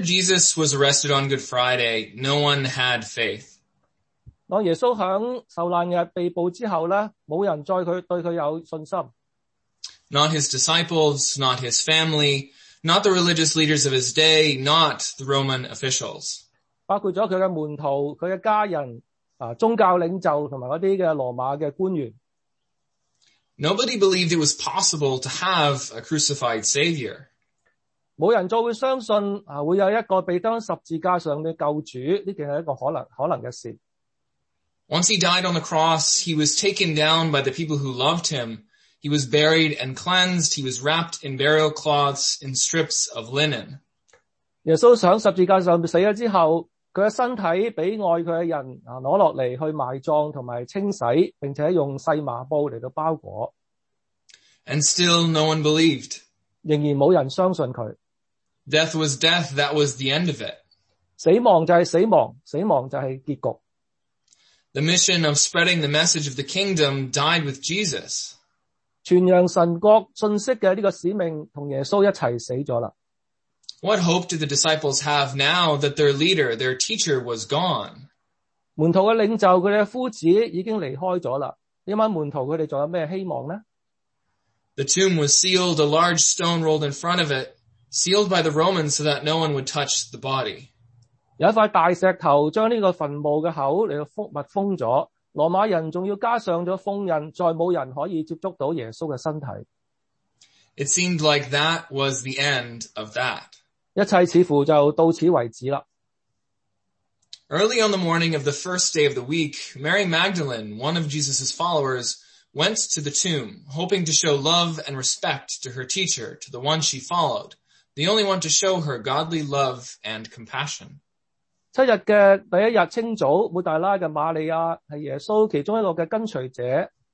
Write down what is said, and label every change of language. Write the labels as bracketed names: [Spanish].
[English] Jesus was arrested on Good Friday, no one had faith. [Cantonese] 当耶稣响受难日被捕之后咧，冇人再对佢有信心。 [English] Not his disciples, not his family, not the religious leaders of his day, not the Roman officials. [Cantonese] 包括咗佢嘅门徒，佢嘅家人。宗教领袖同埋嗰啲嘅罗马嘅官员。 [English] Nobody believed it was possible to have a crucified savior. [Cantonese] 冇人再会相信会有一个被钉十字架上嘅救主，呢件系一个可能嘅事。 [English] Once he died on the cross, he was taken down by the people who loved him. He was buried and cleansed. He was wrapped in burial cloths and strips of linen. [Cantonese] 耶稣上十字架上死咗之后，佢嘅身体俾爱佢嘅人攞落嚟去埋葬同埋清洗，并且用细麻布嚟到包裹。 [English] And still no one believed. [Cantonese] 仍然冇人相信佢。 [English] Death was death. That was the end of it. [Cantonese] 死亡就系死亡，死亡就系结局。 [English] The mission of spreading the message of the kingdom died with Jesus. [Cantonese] 传扬神国信息嘅呢个使命同耶稣一起死咗啦。 [English] What hope do the disciples have now that their leader, their teacher was gone? [Cantonese] 门徒嘅领袖，佢哋嘅夫子已经离开咗啦。呢班门徒佢哋仲有咩希望呢？ [English] The tomb was sealed, a large stone rolled in front of it, sealed by the Romans so that no one would touch the body. [Cantonese] 有一块大石头将呢个坟墓嘅口嚟到封密封咗，罗马人仲要加上咗封印，再冇人可以接触到耶稣嘅身体。 [English] It seemed like that was the end of that. [Cantonese] 一切似乎就到此为止啦。 [English] Early on the morning of the first day of the week, Mary Magdalene, one of Jesus' followers, went to the tomb, hoping to show love and respect to her teacher, to the one she followed, the only one to show her godly love and compassion. [Cantonese] 七日嘅第一日清早，抹大拉嘅玛利亚系耶稣其中一个嘅跟随者。